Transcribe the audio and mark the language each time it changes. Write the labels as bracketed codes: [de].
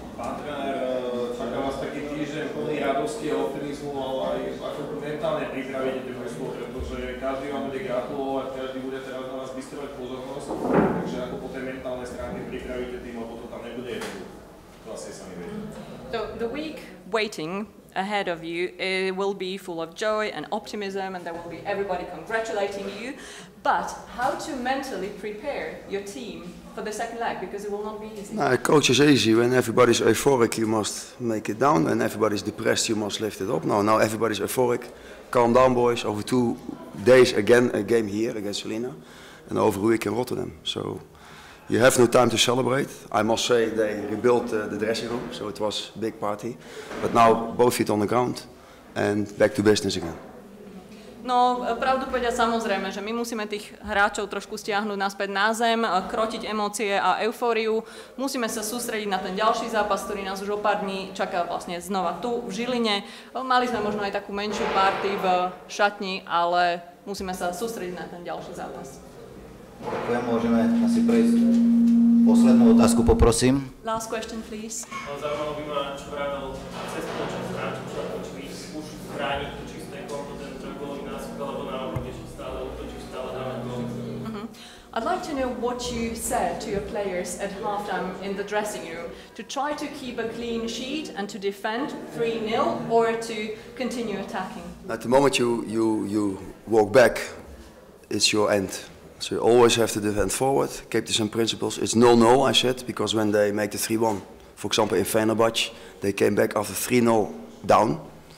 [sk] Pán trenér, čaká vás taký týždeň plný radosti a optimizmu, ale aj ako mentálne pripravenie tým mestom, pretože každý vám bude gratulovať, každý bude teraz na vás vystrievať pozornosť, takže ako po tej mentálnej stránke pripravíte tým, lebo to tam nebude jednoduché. To asi sa mi vedie. [en] The week waiting ahead of you, it will be full of joy and optimism, and there will be everybody congratulating you. But how to mentally prepare your team for the second leg, because it will not be easy? No, a coach is easy. When everybody's euphoric, you must make it down. When everybody's depressed, you must lift it up. Now everybody's euphoric. Calm down, boys. Over 2 days, again, a game here against Salina, and over a week in Rotterdam. So you have no time to celebrate. I must say they rebuilt the dressing room, so it was a big party. But now both feet on the ground and back to business again. [sk] No, pravdu povedať, samozrejme, že my musíme tých hráčov trošku stiahnuť naspäť na zem, krotiť emócie a eufóriu. Musíme sa sústrediť na ten ďalší zápas, ktorý nás už o pár dní čaká vlastne znova tu v Žiline. Mali sme možno aj takú menšiu party v šatni, ale musíme sa sústrediť na ten ďalší zápas. Ďakujem, môžeme asi prejsť. Poslednú otázku poprosím. [en] Last question, please. [sk] Zaujímalo by ma, čo hrával cez to, čo hráčom sa točí, už chrániť to čisté konto, ten trojgólový nások, alebo naopak, že stále utočí, stále dáme gól. [en] I'd like to know what you said to your players at halftime in the dressing room to try to keep a clean sheet and to defend 3-0 or to continue attacking. At the moment you walk back, it's your end. So you always have to defend forward, keep the same principles. It's 0-0, I said, because when they make the 3-1, for example, in Fenerbahce, they came back after 3-0 down.